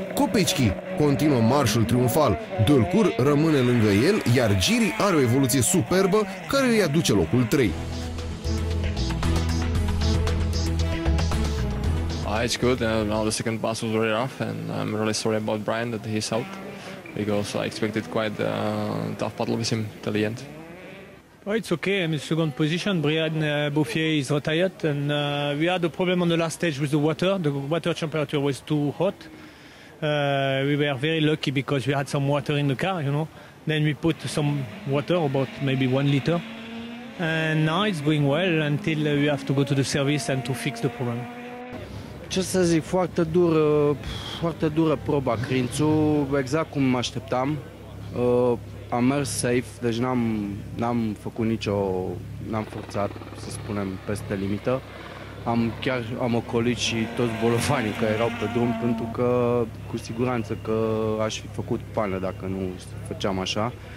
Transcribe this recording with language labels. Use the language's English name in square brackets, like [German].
[Romanian] Pecchi. Continuă marșul triumfal. Dâlcur rămâne lângă el, iar Giri are o evoluție superbă care îi aduce locul 3. [English] It's good. Now the second pass was really rough, and I'm really sorry about Brian that he's out, because I expected quite a tough battle with him till the end. Oh, it's okay. I'm in second position. Brian Bouffier is retired, and we had a problem on the last stage with the water. The water temperature was too hot. We were very lucky because we had some water in the car, you know. Then we put some water, about maybe 1 liter, and now it's going well until we have to go to the service and to fix the problem. [Romanian] Ce să zic, foarte dură, foarte dură proba Crințu, exact cum mă așteptam. Am mers safe, deci n-am făcut nicio, n-am forțat, să spunem, peste limită. Am ocolit și toți bolovanii care erau pe drum, pentru că cu siguranță că aș fi făcut pană dacă nu făceam așa.